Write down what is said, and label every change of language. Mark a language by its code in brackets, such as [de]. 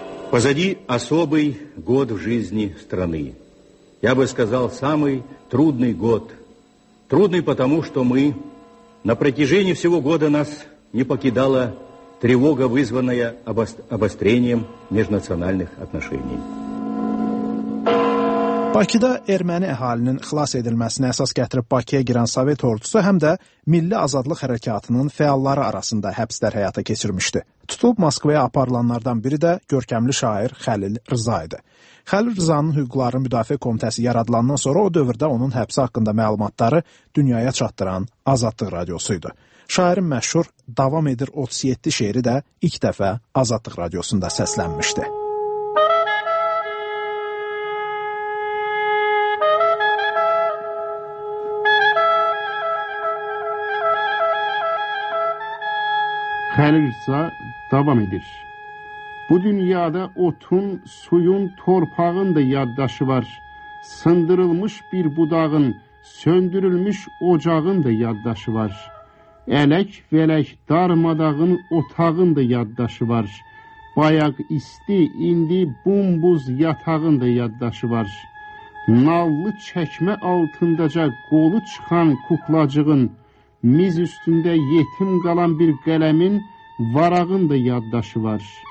[ru] Позади особый год в жизни страны. Я бы сказал, самый трудный год. Трудный потому, что мы на протяжении всего года нас не покидала тревога, вызванная обострением межнациональных отношений. [az] Bakıda erməni əhalinin xilas edilməsinə əsas gətirib Bakıya girən Sovet ordusu həm də Milli Azadlıq Hərəkatının fəalları arasında həbslər həyata keçirmişdi. Tutub Moskvaya aparılanlardan biri də görkəmli şair Xəlil Rıza idi. Xəlil Rıza'nın hüquqların müdafiə komitəsi yaradılandan sonra o dövrdə onun həbsi haqqında məlumatları dünyaya çatdıran Azadlıq Radiosu idi. Şairin məşhur Davam Edir 37 şeiri də ilk dəfə Azadlıq Radiosunda səslənmişdi. Xəlilsa davam edir. Bu dünyada otun, suyun, torpağın da yaddaşı var. Sındırılmış bir budağın, söndürülmüş ocağın da yaddaşı var. Ələk vələk darmadağın, otağın da yaddaşı var. Bayaq isti, indi bumbuz yatağın da yaddaşı var. Nallı çəkmə altındaca qolu çıxan kuklacığın, miz üstündə yetim qalan bir qələmin, Varağın da yaddaşı var.